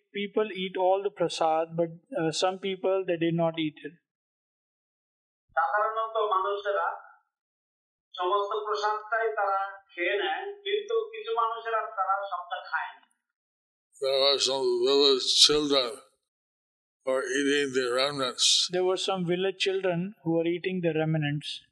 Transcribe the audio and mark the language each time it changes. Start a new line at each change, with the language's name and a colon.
English: people eat all the prasad, but some people they did not eat it.
Bangla: সাধারণত মানুষেরা সমস্ত প্রসাদটাই তারা খেয়ে নেয়, কিন্তু কিছু মানুষেরা তারা সবটা খায় না।
English: There were some village children who were eating the remnants.